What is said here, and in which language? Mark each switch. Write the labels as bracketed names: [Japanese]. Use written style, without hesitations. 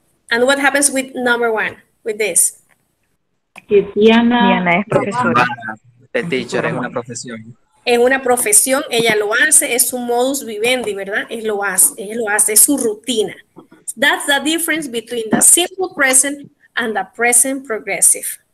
[English] And what happens with number one, with this? [Spanish] Diana es profesora. [English] The teacher [Spanish] es una profesión. Es una profesión, ella lo hace, es su modus vivendi, ¿verdad? Ella lo hace, es su rutina. [English] That's the difference between the simple present and the present progressive.